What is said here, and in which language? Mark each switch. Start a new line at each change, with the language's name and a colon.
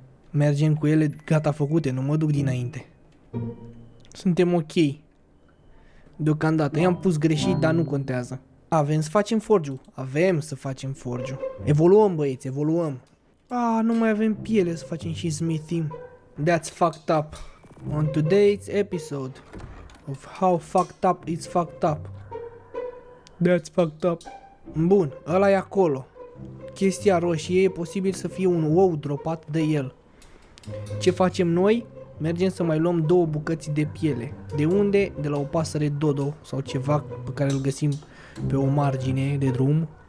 Romanian: Mergem cu ele gata făcute, nu mă duc dinainte. Suntem ok. Deocamdată, i-am pus greșit, dar nu contează. Avem să facem forgiu. Avem să facem forgiu. Evoluăm, băieți, evoluăm. Ah, nu mai avem piele să facem și smithing.
English: That's fucked up. On today's episode of how fucked up it's fucked up. That's fucked up.
Romanian: Bun, ăla e acolo. Chestia roșie e posibil să fie un ou dropat de el. Ce facem noi? Mergem să mai luăm două bucăți de piele. De unde? De la o pasăre dodo sau ceva pe care îl găsim pe o margine de drum.